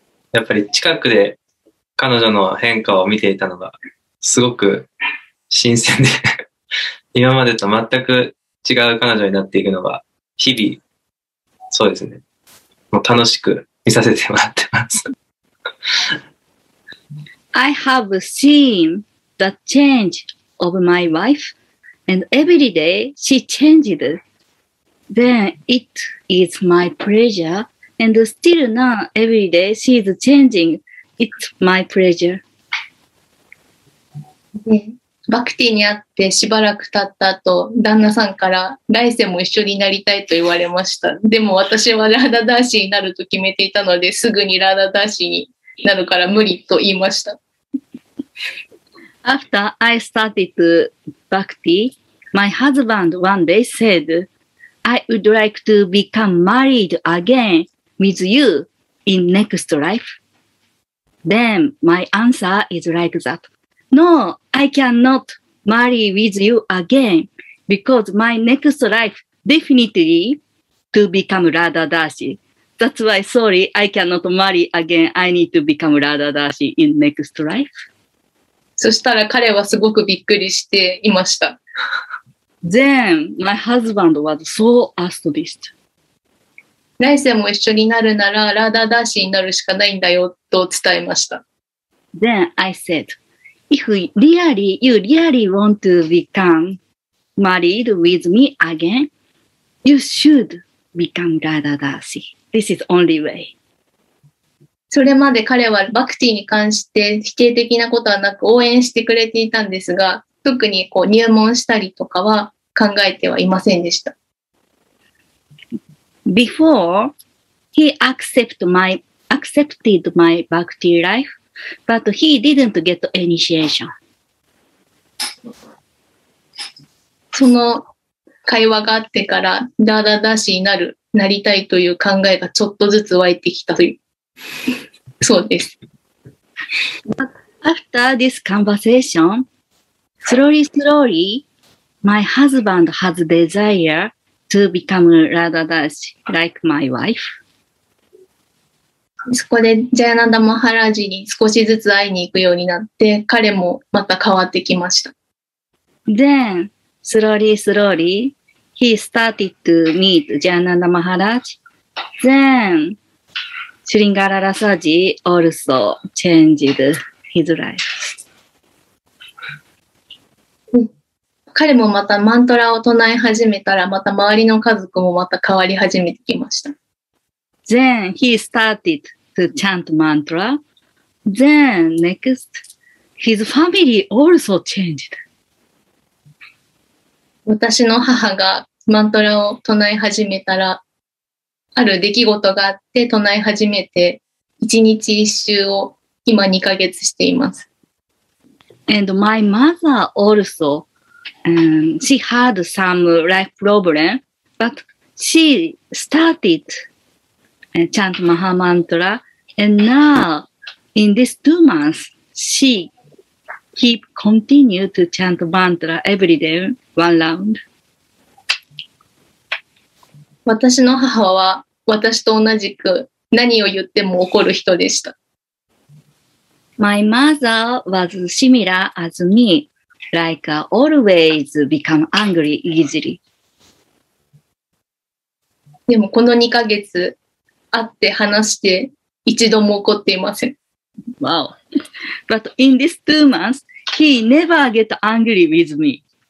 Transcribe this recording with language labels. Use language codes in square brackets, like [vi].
[ja] やっぱり近くで彼女の変化を見ていたのがすごく新鮮で今までと全く違う彼女になっていくのが日々そうですねもう楽しく見させてもらってます [en] I have seen the change of my wife and every day she changed then it is my pleasureAnd still now, every day, she is changing. It's my pleasure. [ja] で、バクティに会ってしばらく経った後、旦那さんから来世も一緒になりたいと言われました。でも私はラダダーシーになると決めていたので、すぐにラダダーシーになるから無理と言いました。 [en] After I started Bhakti, my husband one day said, I would like to become married again.With you in next life. Then my answer is like that. No, I cannot marry with you again because my next life definitely to become Radha Dashi. That's why, sorry, I cannot marry again. I need to become Radha Dashi in next life. [ja] そしたら彼はすごくびっくりしていました。 [en] Then my husband was so astonished. [ja] 来世も一緒になるならラダダーシーになるしかないんだよと伝えました。 [en] Then I said, if really, you really want to become married with me again, you should become ラダダーシー。 This is only way. [ja] それまで彼はバクティに関して否定的なことはなく応援してくれていたんですが、特にこう入門したりとかは考えてはいませんでした。 [en] Before he accepted my bhakti life, but he didn't get initiation. [ja] その会話があってから、ダダダシになる、なりたいという考えがちょっとずつ湧いてきたという。そうです。 [en] But after this conversation, slowly, slowly, my husband has desire to become Radha Dashi like my wife. [ja] そこでジャヤナダ・マハラジに少しずつ会いに行くようになって、彼もまた変わってきました。 [en] Then, slowly, slowly, he started to meet ジャヤナダ・マハラジ. Then,シュリンガララサジ also changed his life. [ja] 彼もまたマントラを唱え始めたら、また周りの家族もまた変わり始めてきました。 [en] Then he started to chant mantra. Then next, his family also changed. [ja] 私の母がマントラを唱え始めたら、ある出来事があって唱え始めて1日1週を今2ヶ月しています。 [en] And my mother also, she had some life problem, but she started chant Maha Mantra, and now in these 2 months, she keep continue to chant mantra every day, one round. [ja] 私の母は私と同じく何を言っても怒る人でした。 [en] My mother was similar as me, like always become angry easily. [ja] でもこの2ヶ月会って話して一度も怒っていません。 [en] Wow. But in these 2 months, he never get angry with me.